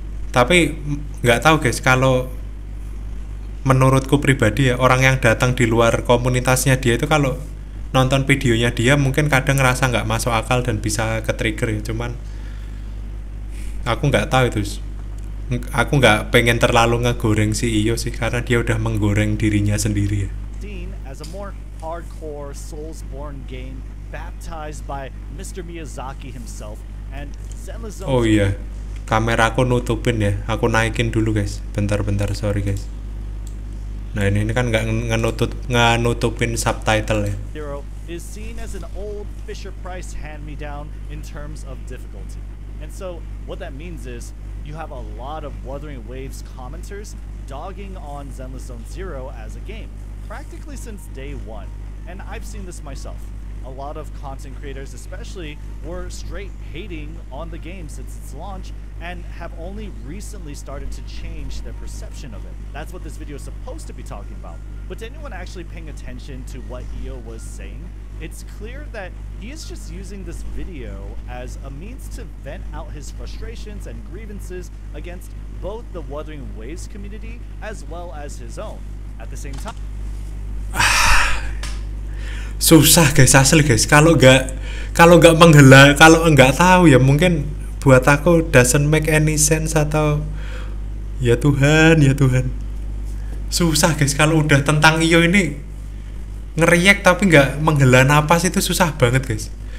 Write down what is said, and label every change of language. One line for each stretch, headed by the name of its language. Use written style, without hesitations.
Indonesian: Tapi nggak tahu guys, kalau menurutku pribadi ya, orang yang datang di luar komunitasnya dia itu kalau nonton videonya dia mungkin kadang ngerasa nggak masuk akal dan bisa ke-trigger ya. Cuman aku nggak tahu itu. Aku nggak pengen terlalu ngegoreng si Io sih, karena dia udah menggoreng dirinya sendiri ya.
English: Dean as a more hardcore Soulsborne game baptized by Mr. Miyazaki himself and Zenless Zone.
Indonesian: Oh iya, kameraku nutupin ya. Aku naikin dulu guys. Bentar-bentar, sorry guys. Nah ini kan nggak nutupin subtitle ya.
English: Zero is seen as an old Fisher-Price hand-me-down in terms of difficulty. And so what that means is you have a lot of Wuthering Waves commenters dogging on Zenless Zone Zero as a game, practically since day one. And I've seen this myself. A lot of content creators especially were straight hating on the game since its launch and have only recently started to change their perception of it. That's what this video is supposed to be talking about. But to anyone actually paying attention to what Io was saying, it's clear that he is just using this video as a means to vent out his frustrations and grievances against both the Wuthering Waves community as well as his own. At the same time...
Indonesian: Susah guys, asli guys. Kalau enggak menghela, kalau enggak tahu ya mungkin buat aku
English: doesn't make any sense
Indonesian: atau ya Tuhan. Susah guys kalau udah tentang Io ini ngeriak tapi enggak menghela napas itu susah banget guys.